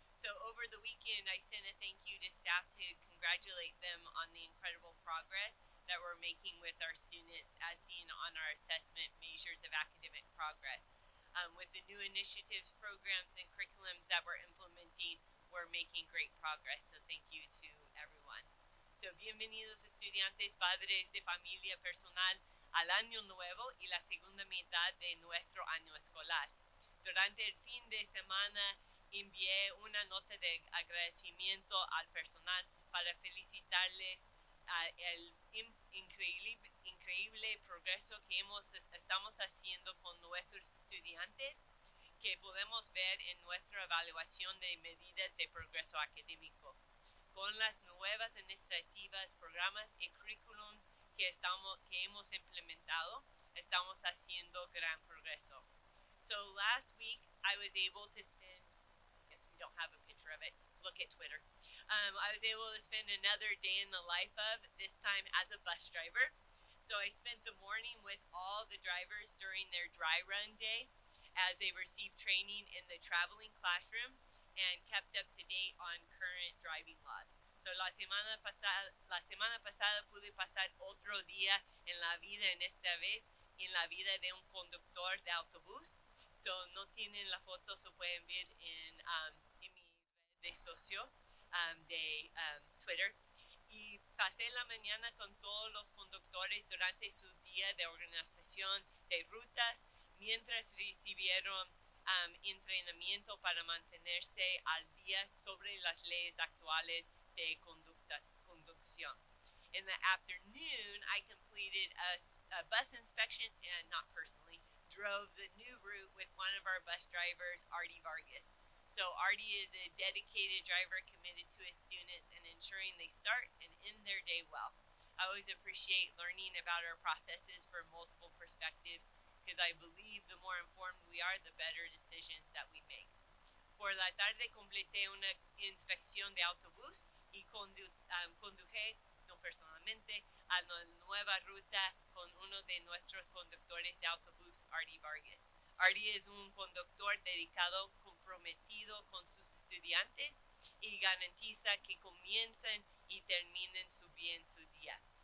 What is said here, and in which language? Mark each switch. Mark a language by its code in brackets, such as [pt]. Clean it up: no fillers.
[en] So over the weekend, I sent a thank you to staff to congratulate them on the incredible progress that we're making with our students as seen on our assessment measures of academic progress. With the new initiatives, programs, and curriculums that we're implementing, we're making great progress, so thank you to everyone. So, [es] bienvenidos. estudiantes, padres de familia personal al año nuevo y la segunda mitad de nuestro año escolar. Durante el fin de semana envié una nota de agradecimiento al personal para felicitarles el increíble progreso que estamos haciendo con nuestros estudiantes que podemos ver en nuestra evaluación de medidas de progreso académico. Con las nuevas iniciativas, programas y currículums que hemos implementado, estamos haciendo gran progreso. [en] So last week, I was able to spend, I guess we don't have a picture of it, look at Twitter. I was able to spend another day in the life of, this time as a bus driver. So I spent the morning with all the drivers during their dry run day as they received training in the traveling classroom and kept up to date on current driving laws. [es] So la semana pasada pude pasar otro día en la vida, en esta vez, en la vida de un conductor de autobús. So no tienen la foto, so pueden ver en mi red de socio de Twitter. Y pasé la mañana con todos los conductores durante su día de organización de rutas, mientras recibieron entrenamiento para mantenerse al día sobre las leyes actuales de conducción. [en] In the afternoon, I completed a bus inspection, and not personally, drove the new route with one of our bus drivers, Artie Vargas. So Artie is a dedicated driver committed to his students and ensuring they start and end their day well. I always appreciate learning about our processes from multiple perspectives, because I believe the more informed we are, the better decisions that we make. [es] Por la tarde completé una inspección de autobús y conduje, no personalmente, a la nueva ruta con uno de nuestros conductores de autobús, Artie Vargas. Artie es un conductor dedicado, comprometido con sus estudiantes y garantiza que comiencen y terminen su bien su día.